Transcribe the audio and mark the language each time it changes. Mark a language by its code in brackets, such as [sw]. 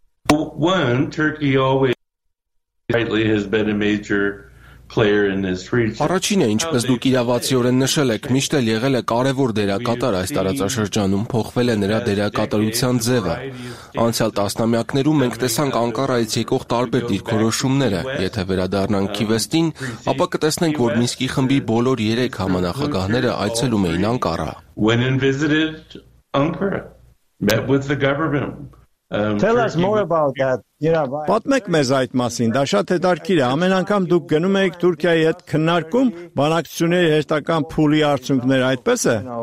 [en] One, Turkey always rightly has been a major player in this region. [hy] Առաջինը, ինչպես դուք իրավացիորեն նշել եք, միշտ էլ եղել է կարևոր դերակատար այս տարածաշրջանում, փոխվել է նրա դերակատարության ձևը։ Անցյալ տասնամյակներում մենք տեսանք Անկարայից եկող տարբեր դիրքորոշումները։ Եթե վերադառնանք Քիվեստին, ապա կտեսնենք, որ Մինսկի խմբի բոլոր 3 համանախագահները այցելում էին Անկարա։ [en] When I visited Ankara, met with the government. Tell us more about that. [hy] Պատմեք մեզ այդ մասին, դա շատ հետաքրքիր է։ Ամեն անգամ դուք գնում էիք Թուրքիայի հետ քննարկում բանակցությունների հերթական փուլի արդյունքներ, այդպես է։